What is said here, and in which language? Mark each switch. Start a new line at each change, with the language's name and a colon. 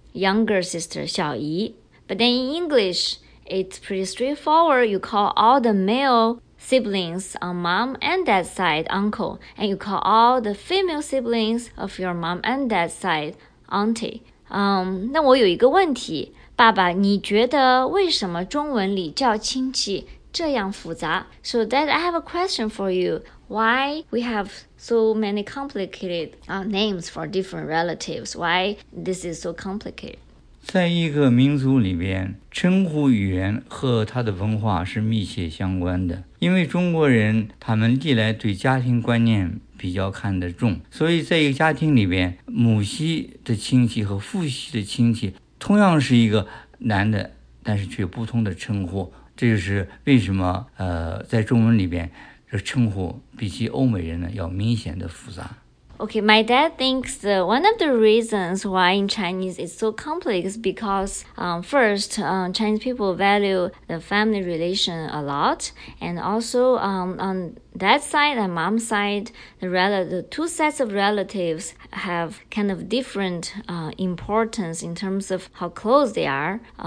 English: Younger sister, 小姨.But then in English, it's pretty straightforward. You call all the male siblings on mom and dad's side, uncle. And you call all the female siblings of your mom and dad's side, auntie.
Chinese: 那我有一个问题。爸爸，你觉得为什么中文里叫亲戚这样复杂?
English: So dad, I have a question for you. Why we have so many complicated names for different relatives? Why this is so complicated?
Chinese: 在一个民族里边，称呼语言和它的文化是密切相关的。因为中国人他们历来对家庭观念比较看得重，所以在一个家庭里边，母系的亲戚和父系的亲戚同样是一个男的，但是却不同的称呼。这就是为什么在中文里边这称呼比起欧美人呢要明显的复杂。
English: Okay, my dad thinks one of the reasons why in Chinese it's so complex is because Chinese people value the family relation a lot, and also on dad's side and mom's side, the two sets of relatives have kind of different importance in terms of how close they are.